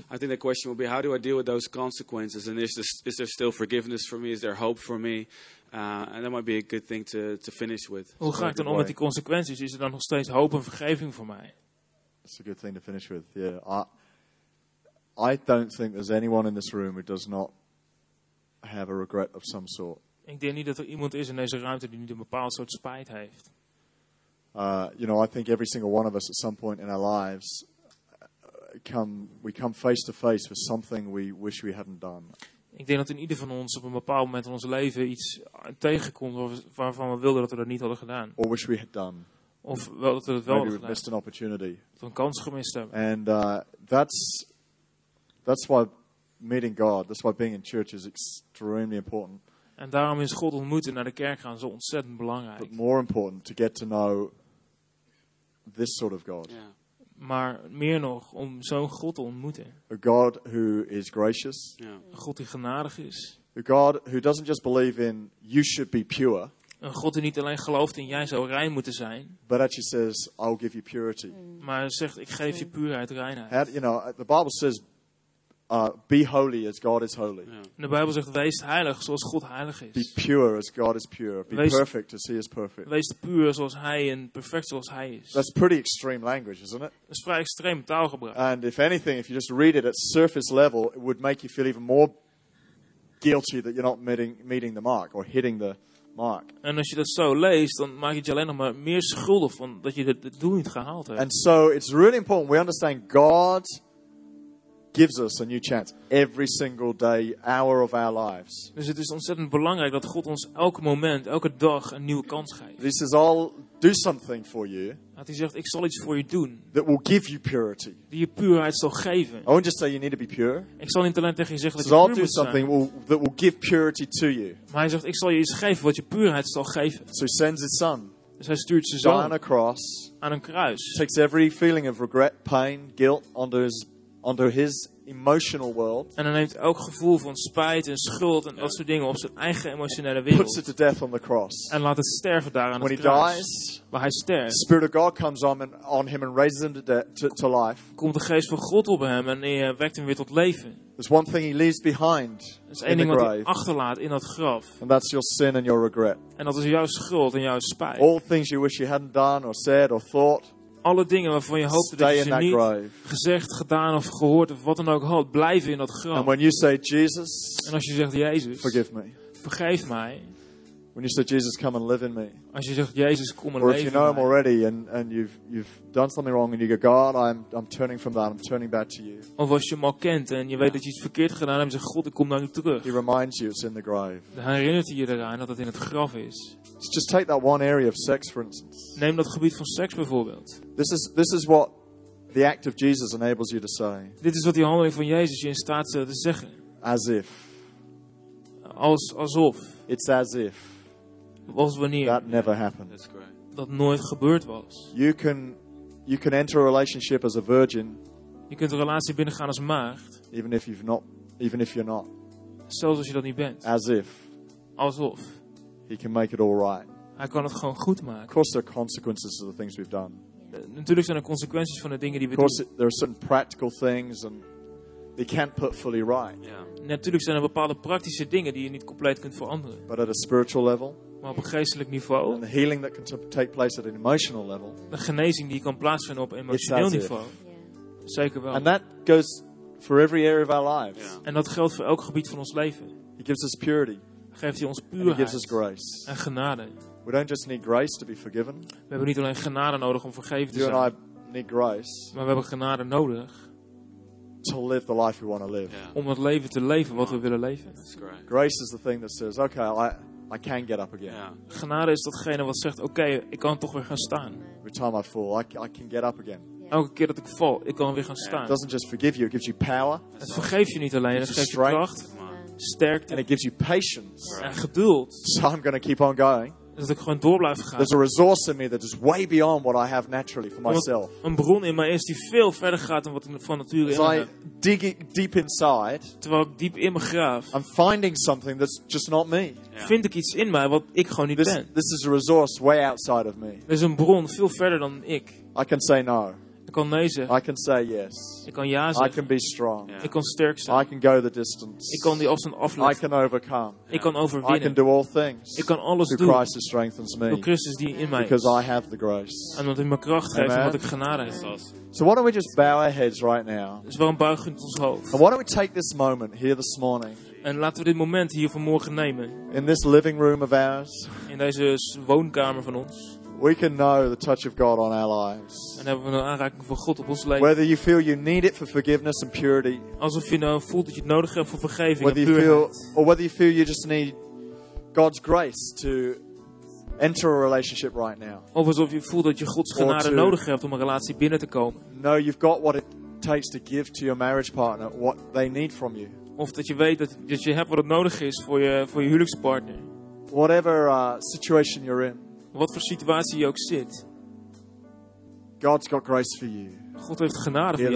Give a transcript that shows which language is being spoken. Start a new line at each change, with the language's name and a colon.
English: I think the question will be, how do I deal with those consequences? And is there still forgiveness for me? Is there hope for me? And that might be a good thing to finish with.
Dutch: Hoe ga ik dan om met die consequenties? Is er dan nog steeds hoop en vergeving voor mij?
English: That's a good thing to finish with. Yeah, I don't think there's anyone in this room who does not have a regret of some sort.
Dutch: Ik denk niet dat er iemand is in deze ruimte die niet een bepaald soort spijt heeft.
English: You know, I think every single one of us at some point in our lives we come face to face with something we wish we hadn't done.
Dutch: Ik denk dat in ieder van ons op een bepaald moment in ons leven iets tegenkomt waarvan we wilden dat we dat niet hadden gedaan.
English: Or wish we had done.
Dutch: Of wel dat we het wel
English: Maybe
Dutch: hadden gedaan.
English: Missed an opportunity.
Dutch: Dat we een kans gemist hebben.
English: And that's why meeting God, that's why being in church is extremely important.
Dutch: En daarom is God ontmoeten naar de kerk gaan zo ontzettend belangrijk.
English: But more important to get to know this sort of God. Yeah.
Dutch: Maar meer nog om zo'n God te ontmoeten.
English: A God who is gracious. Yeah.
Dutch: Een God die genadig is.
English: A God who doesn't just believe in you should be pure.
Dutch: Een God die niet alleen gelooft in jij zou rein moeten zijn.
English: But actually says I'll give you purity.
Dutch: Maar zegt ik geef je puurheid, reinheid.
English: Had, you know, the Bible says be holy as God is holy.
Dutch: Yeah. De Bijbel zegt wees heilig zoals God heilig is.
English: Be pure as God is pure. Be wees, perfect as He is perfect.
Dutch: Wees puur zoals Hij en perfect zoals Hij is.
English: That's pretty extreme language, isn't it?
Dutch: Dat is vrij extreem taalgebruik.
English: And if anything, if you just read it at surface level, it would make you feel even more guilty that you're not meeting the mark or hitting the mark.
Dutch: En als je dat zo leest, dan maak je alleen nog maar meer schuldig van dat je het doel niet gehaald hebt.
English: And so it's really important we understand God gives us a new chance every single day, hour of our lives.
Dutch: Dus het is ontzettend belangrijk dat God ons elk moment, elke dag een nieuwe kans geeft.
English: This is all do something for you.
Dutch: Dat hij zegt, ik zal iets voor je doen.
English: That will give you purity.
Dutch: Die je puurheid zal geven.
English: I won't just say you need to be pure.
Dutch: Ik zal niet alleen tegen je zeggen dat
English: so
Dutch: je puur moet zijn.
English: That will give purity to you.
Dutch: Maar hij zegt, ik zal je iets geven wat je puurheid zal geven.
English: So he sends his son.
Dutch: Dus hij stuurt zijn zoon.
English: On a cross.
Dutch: Aan een kruis.
English: Takes every feeling of regret, pain, guilt onder his under his emotional world.
Dutch: En hij neemt elk gevoel van spijt en schuld en dat soort dingen op zijn eigen emotionele wereld.
English: Puts it to death on the cross.
Dutch: En laat het sterven daar aan
English: When
Dutch: het kruis.
English: When he dies,
Dutch: waar hij sterft.
English: Spirit of God comes on him and raises him to life.
Dutch: Komt de geest van God op hem en hij wekt hem weer tot leven.
English: There's one thing he leaves behind in the grave.
Dutch: Dat is één ding wat hij achterlaat in dat graf.
English: And that's your sin and your regret.
Dutch: En dat is jouw schuld en jouw spijt.
English: All things you wish you hadn't done or said or thought.
Dutch: Alle dingen waarvan je hoopte
English: Stay
Dutch: dat je niet
English: grave.
Dutch: Gezegd, gedaan of gehoord of wat dan ook had, blijven in dat graf.
English: And when you say, Jesus,
Dutch: en als je zegt, Jezus,
English: forgive me.
Dutch: Vergeef mij.
English: When you say, Jesus, come and live in me.
Dutch: Als je zegt, Jezus, kom en
English: Or
Dutch: leef
English: if you know
Dutch: mij.
English: Him already and you've done something wrong and you go, God, I'm turning from that, I'm turning back to you.
Dutch: Of als je hem al kent en je weet dat je iets verkeerd gedaan hebt, en je zegt, God, ik kom naar je terug.
English: He reminds you it's in the grave.
Dutch: Dan herinnert hij je eraan dat het in het graf is.
English: Just take that one area of sex, for instance.
Dutch: Neem dat gebied van seks bijvoorbeeld.
English: This is what the act of Jesus enables you to say.
Dutch: Dit is wat die handeling van Jezus je in staat stelt te zeggen.
English: As if.
Dutch: Alsof.
English: It's as if.
Dutch: Als wanneer.
English: That never happened. That's great.
Dutch: Dat nooit gebeurd was.
English: You can enter a relationship as a virgin.
Dutch: Je kunt een relatie binnengaan als maagd.
English: Even if you're not.
Dutch: Zelfs als je dat niet bent.
English: As if.
Dutch: Alsof.
English: He can make it all right.
Dutch: Hij kan het gewoon goed maken.
English: Of course, there are consequences of the things we've done.
Dutch: Natuurlijk zijn er consequenties van de dingen die we doen.
English: Of course, there are certain practical things, and they can't put fully right. Yeah.
Dutch: Natuurlijk zijn er bepaalde praktische dingen die je niet compleet kunt veranderen.
English: But at a spiritual level.
Dutch: Maar op een geestelijk niveau.
English: And the healing that can take place at an emotional level.
Dutch: De genezing die kan plaatsvinden op emotioneel niveau.
English: Yeah.
Dutch: Zeker wel.
English: And that goes for every area of our lives. Yeah.
Dutch: En dat geldt voor elk gebied van ons leven.
English: He gives us purity.
Dutch: Geeft hij ons puurheid en genade.
English: We don't just need grace to be forgiven.
Dutch: We hebben niet alleen genade nodig om vergeven te zijn.
English: You and I need grace.
Dutch: Maar we hebben genade nodig.
English: To live the life we want to live. Yeah.
Dutch: Om het leven te leven wat we willen leven.
English: That's great. Grace is the thing that says, okay, I can get up again. Yeah.
Dutch: Genade is datgene wat zegt, oké, ik kan toch weer gaan staan.
English: Every time I fall, I can get up again.
Dutch: Elke keer dat ik val, ik kan weer gaan staan.
English: It doesn't just forgive you, it gives you power.
Dutch: Het vergeeft je niet alleen, het geeft je kracht. Sterkte.
English: And it gives you patience.
Dutch: En geduld.
English: So I'm going to keep on going.
Dutch: Dat ik gewoon door blijf gaan.
English: There's a resource in me that is way beyond what I have naturally for myself.
Dutch: Een bron in mij is die veel verder gaat dan wat ik van nature heb.
English: As I dig deep inside,
Dutch: terwijl ik diep in me graaf,
English: I'm finding something that's just not me.
Dutch: Vind ik iets in mij wat ik gewoon niet ben.
English: This is a resource way outside of me.
Dutch: Dit is een bron veel verder dan ik.
English: I can say no.
Dutch: Ik kan nee zeggen.
English: I can say yes.
Dutch: Ik kan ja zeggen.
English: I can be strong.
Dutch: Ik kan sterk zijn.
English: I can go the distance.
Dutch: Ik kan die afstand afleggen.
English: I can overcome.
Dutch: Ik kan overwinnen.
English: I can do all things.
Dutch: Ik kan alles doen.
English: Through Christ who strengthens me.
Dutch: Door Christus die in mij is.
English: Because I have the grace.
Dutch: En omdat hij me kracht geeft, omdat ik genade heb.
English: So why don't we just bow our heads right now?
Dutch: Dus waarom buigen we ons hoofd?
English: And why don't we take this moment here this morning?
Dutch: En laten we dit moment hier vanmorgen nemen.
English: In this living room of ours.
Dutch: In deze woonkamer van ons.
English: We can know the touch of God on our lives.
Dutch: En hebben we een aanraking van God op ons leven.
English: Whether you feel you need it for forgiveness and purity.
Dutch: Alsof je nou voelt dat je het nodig hebt voor vergeving en puurheid.
English: Or whether you feel you just need God's grace to enter a relationship right now.
Dutch: Of alsof je voelt dat je Gods genade nodig hebt om een relatie binnen te komen.
English: No, you've got what it takes to give to your marriage partner what they need from you.
Dutch: Of dat je weet dat je hebt wat het nodig is voor je huwelijkspartner.
English: Whatever situation you're in.
Dutch: Wat voor situatie je ook zit.
English: God's got grace for you.
Dutch: God heeft genade voor jou.